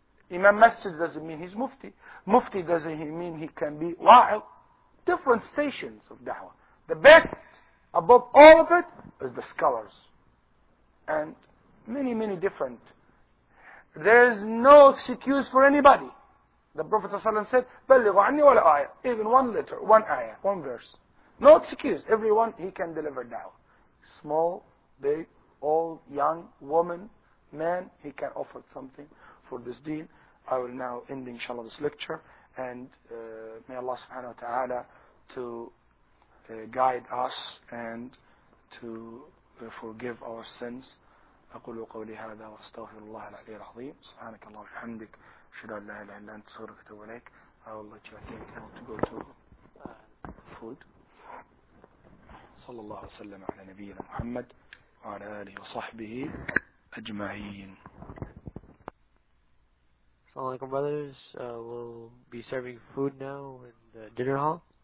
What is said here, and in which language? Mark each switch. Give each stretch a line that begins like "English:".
English: Imam Masjid doesn't mean he's Mufti. Mufti doesn't mean he can be wa'il. Different stations of da'wah. The best, above all of it, is the scholars. And many, many different. There is no excuse for anybody. The Prophet ﷺ said,
Arabic: بَلِّغُ عَنِّي وَلَا آيَةً.
English: Even one letter, one ayah, one verse. No excuse. Everyone, he can deliver da'wah. Small, big, old, young, woman, man, he can offer something for this deen. I will now end, inshallah, this lecture. And may Allah subhanahu wa ta'ala to guide us and to forgive our sins.
Arabic: أقول قولي هذا وأستغفر الله العلي العظيم. سبحانك اللهم وبحمدك. أشهد أن لا إله إلا أنت أستغفرك وأتوب إليك.
English: I will let you attend now to go to food.
Arabic: صلى الله وسلم على نبينا محمد وعلى آله وصحبه أجمعين.
English: Assalamu alaikum, brothers. We'll be serving food now in the dinner hall.